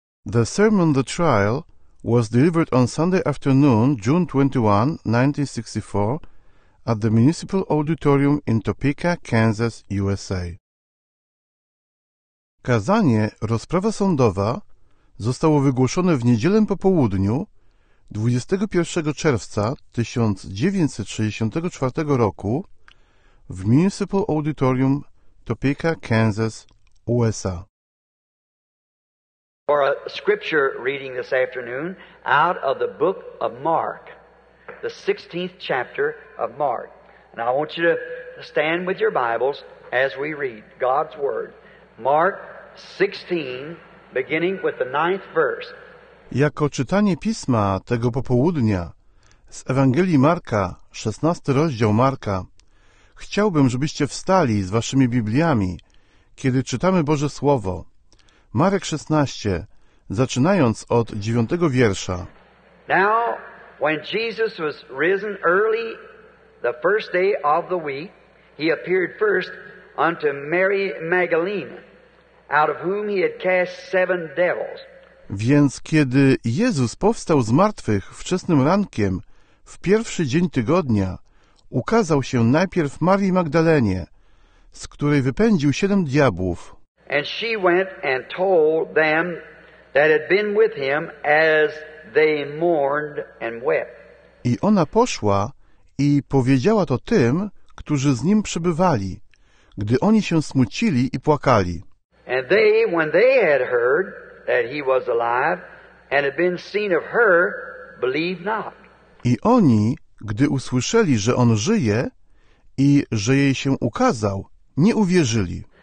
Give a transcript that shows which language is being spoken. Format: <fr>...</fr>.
<en>The sermon, The Trial, was delivered on Sunday afternoon, June 21, 1964, at the Municipal Auditorium in Topeka, Kansas, USA.</en> <pl>Kazanie, rozprawa sądowa, zostało wygłoszone w niedzielę po południu, 21 czerwca 1964 roku w Municipal Auditorium, Topeka, Kansas, USA.</pl> <en>For a scripture reading this afternoon out of the book of Mark, the 16th chapter of Mark. And I want you to stand with your Bibles as we read God's Word. Mark 16, beginning with the 9th verse.</en> <pl>Jako czytanie pisma tego popołudnia z Ewangelii Marka, 16 rozdział Marka, chciałbym, żebyście wstali z waszymi Bibliami, kiedy czytamy Boże Słowo. Marek 16, zaczynając od 9 wiersza.</pl> <en>Now, when Jesus was risen early the first day of the week, he appeared first unto Mary Magdalene, out of whom he had cast seven devils.</en> <pl>Więc kiedy Jezus powstał z martwych wczesnym rankiem, w pierwszy dzień tygodnia, ukazał się najpierw Marii Magdalenie, z której wypędził siedem diabłów.</pl> <en>And she went and told them that had been with him as they mourned and wept.</en> <pl>I ona poszła i powiedziała to tym, którzy z nim przebywali, gdy oni się smucili i płakali.</pl> <en>And they, when they had heard that he was alive and had been seen of her, believed not.</en> <pl>I oni, gdy usłyszeli, że on żyje i że jej się ukazał, nie uwierzyli.</pl>